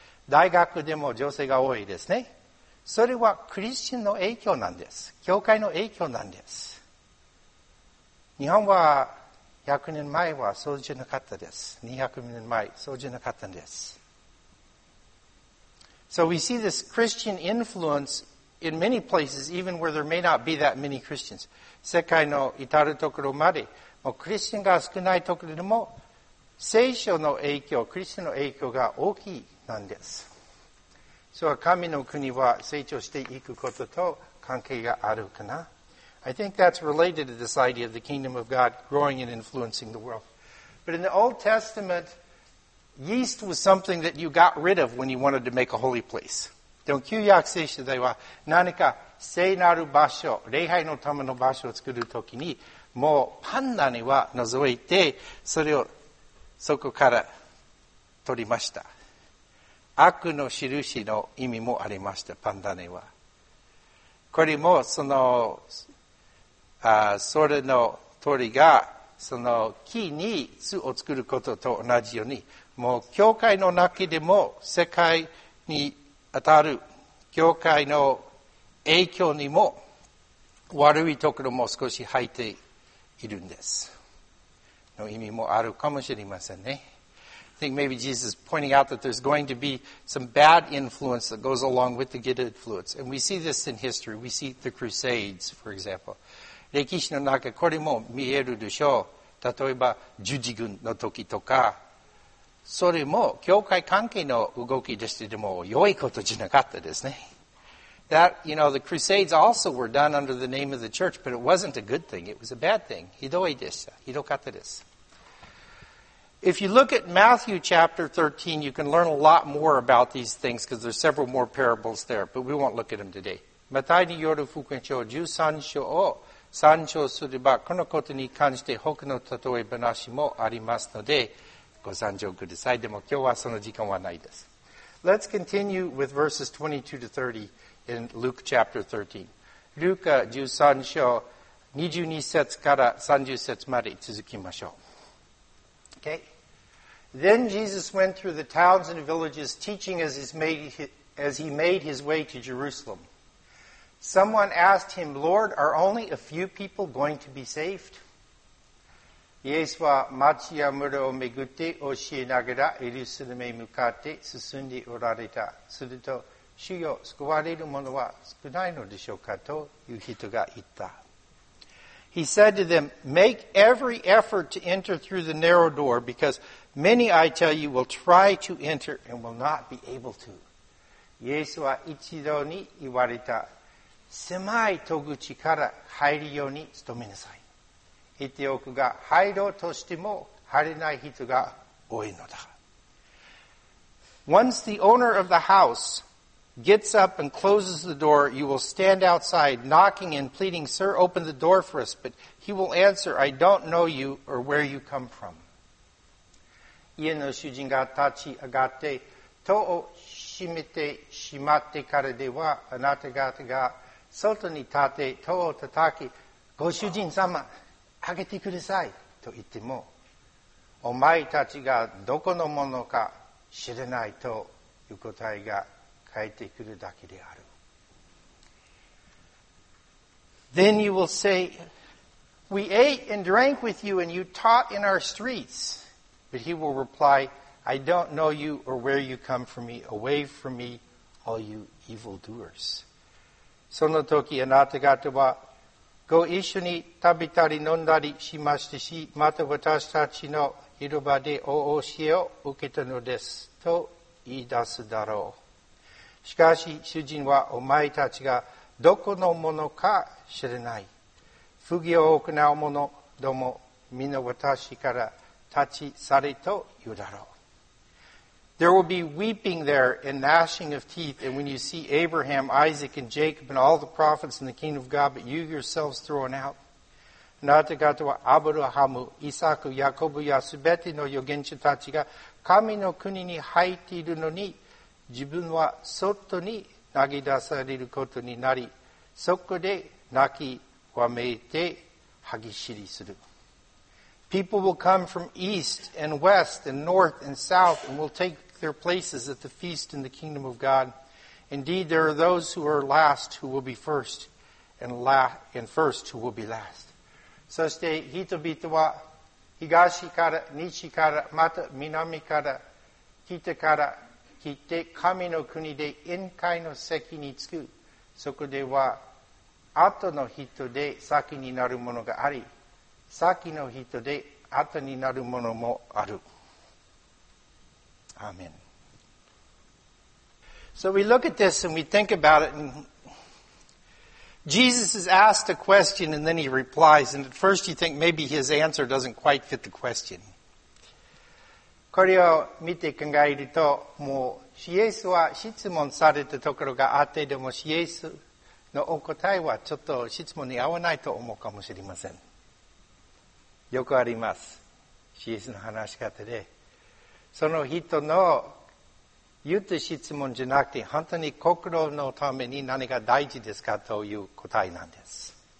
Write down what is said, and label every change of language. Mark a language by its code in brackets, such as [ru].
[ja] 大学でも女性が多いですね。それはクリスチャンの影響なんです。教会の影響なんです。日本は100年前はそうじゃなかったです。 200年前そうじゃなかったんです。 [en] So we see this Christian influence in many places, even where there may not be that many Christians. [ja] 世界の至るところまで、もうクリスチャンが少ないところでも、聖書の影響、クリスチャンの影響が大きいなんです。 So, 神の国は成長していくことと関係があるかな? [en] I think that's related to this idea of the kingdom of God growing and influencing the world. But in the Old Testament, yeast was something that you got rid of when you wanted to make a holy place. [ja] でも旧約聖書では何か聖なる場所、礼拝のための場所を作るときに、もうパンダには除いて、それをそこから取りました。悪の印の意味もありました、パンダネは。これもその、それの通りが、その木に巣を作ることと同じように、もう教会の中でも世界に当たる教会の影響にも悪いところも少し入っているんです。の意味もあるかもしれませんね。 [en] I think maybe Jesus is pointing out that there's going to be some bad influence that goes along with the good influence. And we see this in history. We see the Crusades, for example. [ja] 歴史の中、これも見えるでしょう。例えば、十字軍の時とか、それも教会関係の動きでしてでも良いことじゃなかったですね。 [en] That, you know, the Crusades also were done under the name of the church, but it wasn't a good thing. It was a bad thing. [ja] ひどいでした。ひどかったです。 [en] If you look at Matthew chapter 13, you can learn a lot more about these things because there's several more parables there, but we won't look at them today. [ja] マタイによる福音書13章を参照すれば、このことに関して他の例え話もありますので、ご参照ください。でも今日はその時間はないです。 [en] Let's continue with verses 22 to 30 in Luke chapter 13. [ja] ルカ13章22節から30節まで続きましょう。 [en] Okay. Then Jesus went through the towns and villages, teaching as he made his way to Jerusalem. Someone asked him, Lord, are only a few people going to be saved? [ja] イエスは町や村をめぐって教えながらエルサレムへ向かって進んでおられた。すると主よ、救われる者は少ないのでしょうかという人が言った。 [en] He said to them, make every effort to enter through the narrow door, because many, I tell you, will try to enter and will not be able to. [ja] イエスは一度に言われた。狭い戸口から入るように努めなさい。言っておくが、入ろうとしても入れない人が多いのだ。 [en] Once the owner of the house gets up and closes the door, you will stand outside knocking and pleading, Sir, open the door for us. But he will answer, I don't know you or where you come from. [ja] 家の主人が立ち上がって、戸を閉めてしまってからでは、あなた方が外に立て、戸を叩き、ご主人様、開けてくださいと言っても、お前たちがどこのものか知れないという答えが返ってくるだけである。 [en] Then you will say, We ate and drank with you and you taught in our streets. But he will reply, I don't know you or where you come from me. Away from me, all you evildoers. [ja] その時あなた方は、ご一緒に食べたり飲んだりしましたし、また私たちの広場でお教えを受けたのですと言い出すだろう。しかし主人はお前たちがどこのものか知れない。不義を行う者ども、皆私から立ち去れと言うだろう。 [en] There will be weeping there and gnashing of teeth, and when you see Abraham, Isaac, and Jacob, and all the prophets in the kingdom of God, but you yourselves thrown out. [ja] あなた方はアブラハム、イサク、ヤコブやすべての預言者たちが神の国に入っているのに、自分は外に投げ出されることになり、そこで泣きわめいて歯ぎしりする。 [en] People will come from east and west and north and south and will take their places at the feast in the kingdom of God. Indeed, there are those who are last who will be first and first who will be last. [ja] そして人々は東から西からまた南から北から来て神の国で宴会の席に着く。そこでは後の人で先になるものがあり。先の人で後になるものもある。アーメン。 [en] So we look at this and we think about it, and Jesus is asked a question and then he replies, and at first you think maybe his answer doesn't quite fit the question. [ja] これを見て考えると、もうイエスは質問されたところがあって、でもイエスのお答えはちょっと質問に合わないと思うかもしれません。よくあります。シエスの話し方で。その人の言った質問じゃなくて、本当に心のために何が大事ですかという答えなんです。